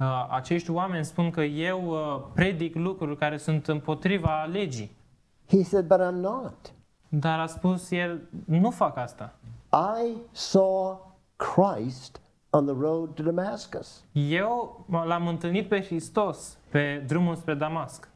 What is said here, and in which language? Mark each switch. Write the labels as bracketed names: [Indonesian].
[Romanian] Acești oameni spun că eu predic lucruri care sunt împotriva legii. [English] He said, but I'm not. [Romanian] Dar a spus el, nu fac asta. [English] I saw Christ on the road to Damascus. [Romanian] Eu l-am întâlnit pe Hristos pe drumul spre Damasc.